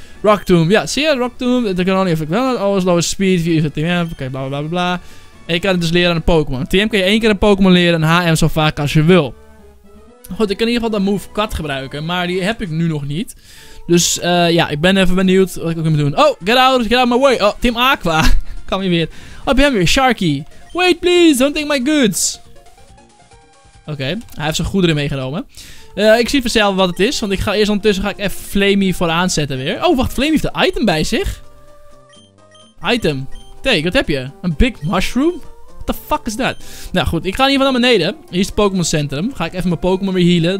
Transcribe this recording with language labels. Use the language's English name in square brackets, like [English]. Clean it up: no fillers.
[Dutch] Rocktomb, ja, zie je Rocktomb. Dan kan niet of ik wel een always lower speed. Via de TM, oké, okay, bla bla bla bla. En je kan het dus leren aan een Pokémon. TM kan je één keer een Pokémon leren en HM zo vaak als je wil. Goed, ik kan in ieder geval dat move cut gebruiken, maar die heb ik nu nog niet. Dus ja, ik ben even benieuwd wat ik ook moet doen. Oh, [English] get out of my way. [Dutch] Oh, Team Aqua. Kom hier weer. Oh, ben je weer, Sharky. [English] Wait please, don't take my goods. [Dutch] Oké, okay, hij heeft zijn goederen meegenomen. Ik zie vanzelf wat het is, want ik ga eerst ondertussen ga ik even Flamey vooraan zetten weer. Oh, wacht, Flamey heeft een item bij zich. Item. Take, wat heb je? Een big mushroom? [English] What the fuck [Dutch] is dat? Nou goed, ik ga in ieder geval naar beneden. Hier is het Pokémon Centrum. Ga ik even mijn Pokémon weer healen.